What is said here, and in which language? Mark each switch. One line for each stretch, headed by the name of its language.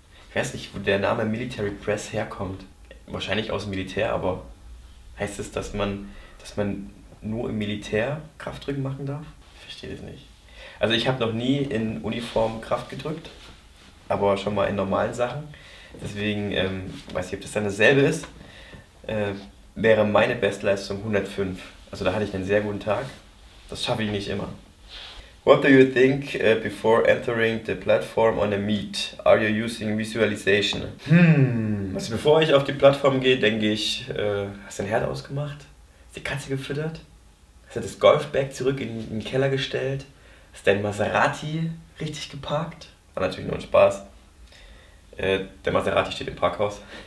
German: Ich weiß nicht, wo der Name Military Press herkommt. Wahrscheinlich aus dem Militär, aber heißt es, dass man nur im Militär Kraftdrücken machen darf? Ich verstehe das nicht. Also ich habe noch nie in Uniform Kraft gedrückt, aber schon mal in normalen Sachen. Deswegen weiß ich, ob das dann dasselbe ist. Wäre meine Bestleistung 105. Also da hatte ich einen sehr guten Tag. Das schaffe ich nicht immer.
English: What do you think before entering the platform on a meet? Are you using visualization?
German: Also bevor ich auf die Plattform gehe, denke ich, hast du den Herd ausgemacht? Hast du die Katze gefüttert? Hast du das Golfbag zurück in den Keller gestellt? Hast du dein Maserati richtig geparkt? War natürlich nur ein Spaß. Der Maserati steht im Parkhaus.